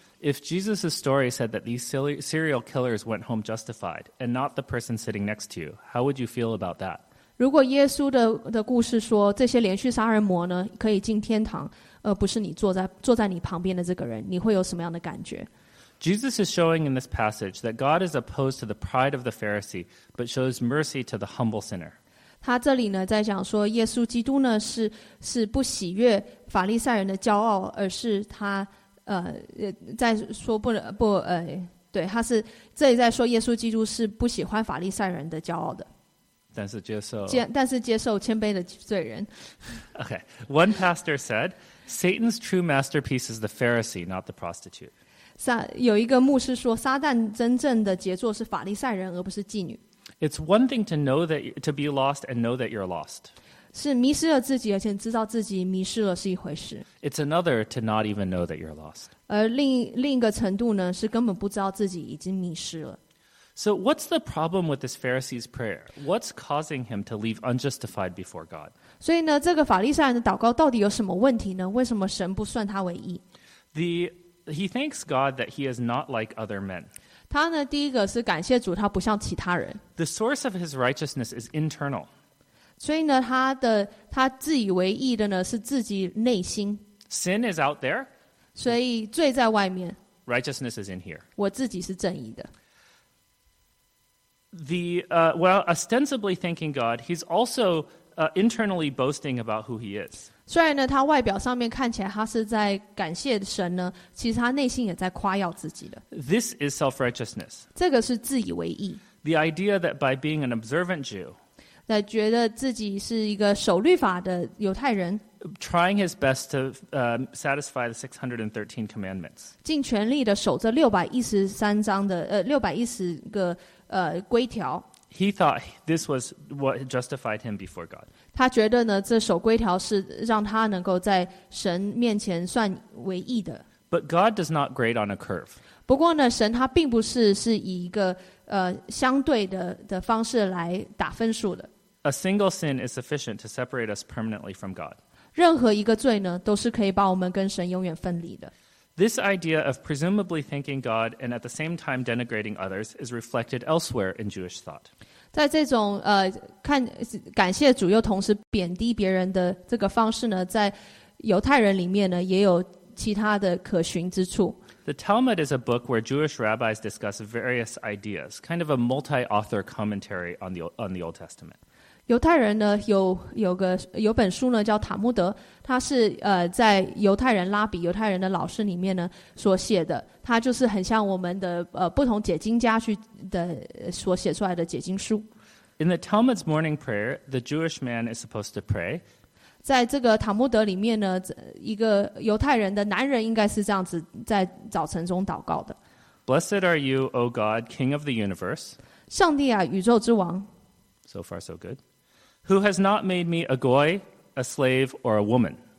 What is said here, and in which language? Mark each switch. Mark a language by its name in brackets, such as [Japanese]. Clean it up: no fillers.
[English] If Jesus' story said that these serial killers went home justified and not the person sitting next to you, how would you feel about that? [Chinese] 如果耶稣 的故事说这些连续杀人魔呢可以进天堂而不是你坐在你旁边的这个人你会有什么样的感觉 [English] Jesus is showing in this passage that God is opposed to the pride of the Pharisee but shows mercy to the humble sinner [Chinese] 他这里呢在讲说耶稣基督呢 是不喜悦法利赛人的骄傲而是他在说不对他是这里在说耶稣基督是不喜欢法利赛人的骄傲的但是接受谦卑的罪人。 [English] Okay, one pastor said, Satan's true masterpiece is the Pharisee, not the prostitute. [Chinese] 有一个牧师说，撒旦真正的杰作是法利赛人，而不是妓女。 [English] It's one thing to know that to be lost and know that you're lost. [Chinese] 是迷失了自己，而且知道自己迷失了是一回事。 [English] It's another to not even know that you're lost. [Chinese] 而另一个程度呢，是根本不知道自己已经迷失了。 [English] So what's the problem with this Pharisee's prayer? What's causing him to leave unjustified before God? [Chinese] 所以呢，这个法利赛人的祷告到底有什么问题呢？为什么神不算他为义？ [English] He thanks God that he is not like other men. [Chinese] 他呢，第一个是感谢主，他不像其他人。 [English] The source of his righteousness is internal. [Chinese] 所以呢，他自以为义的呢，是自己内心。 [English] Sin is out there. [Chinese] 所以罪在外面。 [English] Righteousness is in here. [Chinese] 我自己是正义的。 [English] Well, ostensibly thanking God, he's also internally boasting about who he is. [Chinese] 虽然呢，他外表上面看起来他是在感谢神呢，其实他内心也在夸耀自己的。 [English] This is self-righteousness. [Chinese] 这个是自以为义。 [English] The idea that by being an observant Jew, [Chinese] 在觉得自己是一个守律法的犹太人 [English] ，trying his best to satisfy the 613 commandments, [Chinese] 尽全力的守着613个。规条。 [English] He thought this was what justified him before God. [Chinese] 他觉得呢，这守规条是让他能够在神面前算为义的。 [English] But God does not grade on a curve. [Chinese] 不过呢，神他并不是以一个相对的方式来打分数的。 [English] A single sin is sufficient to separate us permanently from God. [Chinese] 任何一个罪呢，都是可以把我们跟神永远分离的。 [English] This idea of presumably thanking God and at the same time denigrating others is reflected elsewhere in Jewish thought. [Chinese] 在这种感谢主又同时贬低别人的这个方式呢，在犹太人里面呢也有其他的可循之处。 [English] The Talmud is a book where Jewish rabbis discuss various ideas, kind of a multi-author commentary on the Old Testament. [Chinese] 犹太人呢有本书呢叫塔木德，它是在犹太人拉比犹太人的老师里面呢所写的，它就是很像我们的不同解经家去的所写出来的解经书。 [English] In the Talmud's morning prayer, the Jewish man is supposed to pray. [Chinese] 在这个塔木德里面呢，一个犹太人的男人应该是这样子在早晨中祷告的。 [English] Blessed are you, O God, King of the universe. [Chinese] 上帝啊，宇宙之王。 [English] So far, so good. Who has not made me a goy, a slave, or a woman?